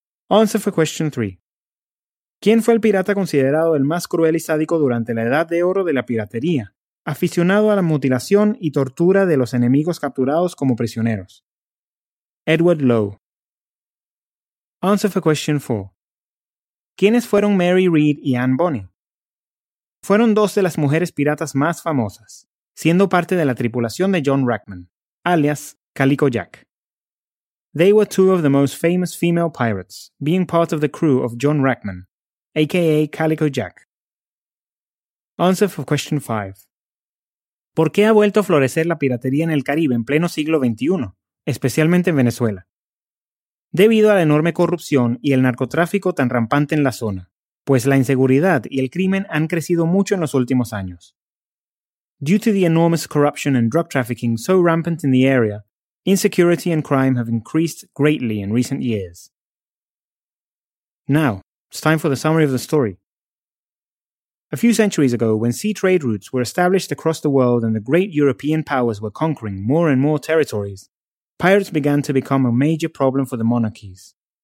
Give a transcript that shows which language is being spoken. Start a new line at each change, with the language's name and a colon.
English: Answer for question 3.
Spanish: ¿Quién fue el pirata considerado el más cruel y sádico durante la Edad de Oro de la piratería, aficionado a la mutilación y tortura de los enemigos capturados como prisioneros? Edward Lowe.
English: Answer for question 4.
Spanish: ¿Quiénes fueron Mary Read y Anne Bonny? Fueron dos de las mujeres piratas más famosas, siendo parte de la tripulación de John Rackman, alias Calico Jack.
English: They were two of the most famous female pirates, being part of the crew of John Rackman, a.k.a. Calico Jack. Answer for question 5.
Spanish: ¿Por qué ha vuelto a florecer la piratería en el Caribe en pleno siglo XXI, especialmente en Venezuela? Debido a la enorme corrupción y el narcotráfico tan rampante en la zona, pues la inseguridad y el crimen han crecido mucho en los últimos años.
English: Due to the enormous corruption and drug trafficking so rampant in the area, insecurity and crime have increased greatly in recent years. Now, it's time for the summary of the story. A few centuries ago, when sea trade routes were established across the world and the great European powers were conquering more and more territories, pirates began to become a major problem for the monarchies.